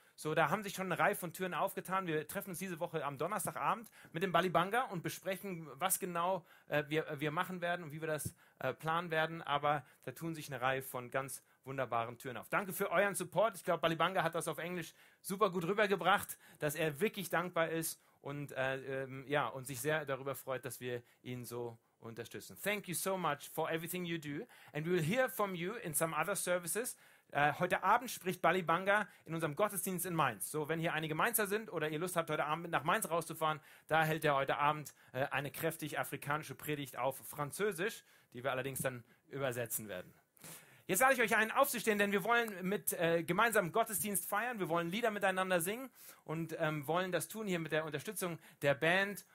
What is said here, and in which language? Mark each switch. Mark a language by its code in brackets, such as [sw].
[de] So, da haben sich schon eine Reihe von Türen aufgetan. Wir treffen uns diese Woche am Donnerstagabend mit dem Balibanga und besprechen, was genau wir machen werden und wie wir das planen werden. Aber da tun sich eine Reihe von ganz wunderbaren Türen auf. Danke für euren Support. Ich glaube, Balibanga hat das auf Englisch super gut rübergebracht, dass er wirklich dankbar ist und sich sehr darüber freut, dass wir ihn so unterstützen. [en] Thank you so much for everything you do. And we will hear from you in some other services. [de] Heute Abend spricht Balibanga in unserem Gottesdienst in Mainz. So, wenn hier einige Mainzer sind oder ihr Lust habt, heute Abend nach Mainz rauszufahren, da hält er heute Abend eine kräftig afrikanische Predigt auf Französisch, die wir allerdings dann übersetzen werden. Jetzt lade ich euch ein, aufzustehen, denn wir wollen mit gemeinsam Gottesdienst feiern, wir wollen Lieder miteinander singen und wollen das tun hier mit der Unterstützung der Band.